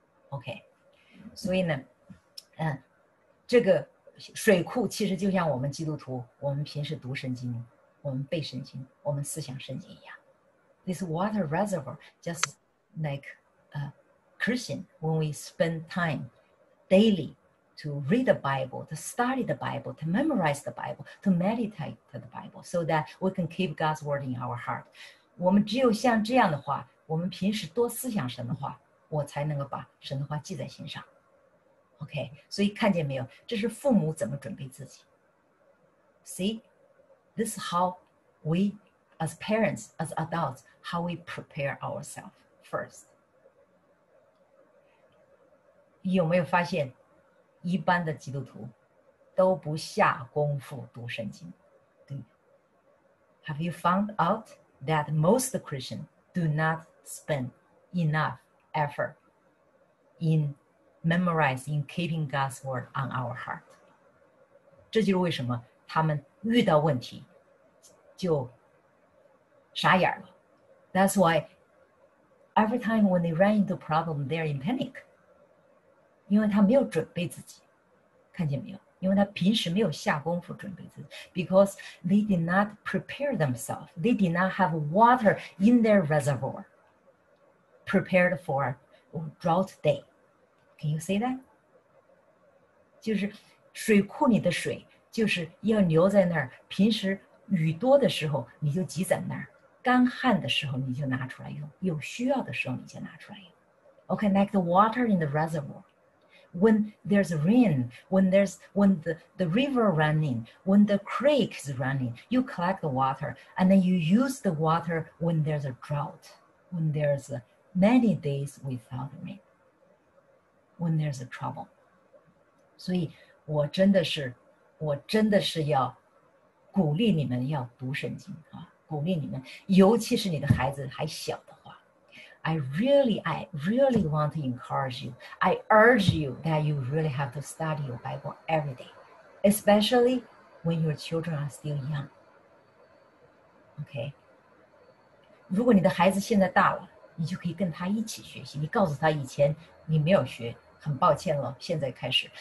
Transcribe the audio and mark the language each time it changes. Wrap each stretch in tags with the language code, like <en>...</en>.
<zh>OK, 所以呢，这个水库其实就像我们基督徒，我们平时读圣经，我们背圣经，我们思想圣经一样。</zh> <en>This water reservoir, just like a Christian, when we spend time daily to read the Bible, to study the Bible, to memorize the Bible, to meditate the Bible, so that we can keep God's word in our heart.</en> <zh>我们只有像这样的话，我们平时多思想神的话，我才能够把神的话记在心上。 OK, 所以看见没有，这是父母怎么准备自己。</zh> <en>See, this is how we, as parents, as adults, how we prepare ourselves first.</en> <zh>有没有发现一般的基督徒都不下功夫读圣经？</zh> <en>Have you found out that most Christians do not spend enough effort in memorizing, keeping God's word on our heart?</en> <zh>这就是为什么他们遇到问题就傻眼了。</zh> <en>That's why every time when they run into problem, they're in panic.</en> <zh>因为他没有准备自己，看见没有？因为他平时没有下功夫准备自己。</zh> <en>Because they did not prepare themselves. They did not have water in their reservoir prepared for a drought day. Can you see that?</en> <zh>就是水库里的水就是要留在那儿，平时雨多的时候你就挤在那儿，干旱的时候你就拿出来用，有需要的时候你就拿出来用。</zh> <en>Okay, like the water in the reservoir. When there's rain, when the river running, when the creek is running, you collect the water, and then you use the water when there's a drought, when there's many days without rain, when there's a trouble.</en> <zh>所以我真的是要鼓励你们要读圣经啊，鼓励你们，尤其是你的孩子还小的话。</zh> <en>I really want to encourage you. I urge you that you really have to study your Bible every day, especially when your children are still young. Okay.</en> <zh>如果你的孩子现在大了，你就可以跟他一起学习。你告诉他以前你没有学，很抱歉了，现在开始。</zh>